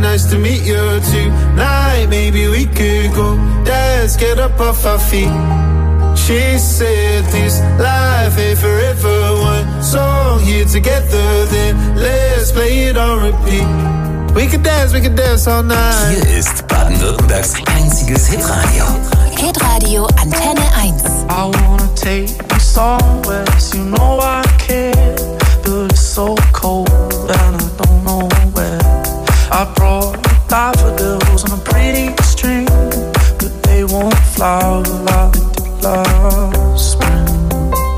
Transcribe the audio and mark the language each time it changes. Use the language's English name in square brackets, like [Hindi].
[English] To meet you tonight, maybe we could go dance, get up off our feet. She said, this life ain't forever. One song here together, then let's play it on repeat. We could dance all night. [German] Hier ist Baden-Württembergs einziges Hitradio. Hitradio Antenne 1. [English] I wanna take you somewhere, so you know I care, but it's so cold and I don't know where. I brought daffodils on a pretty string, but they won't flower like they did last spring.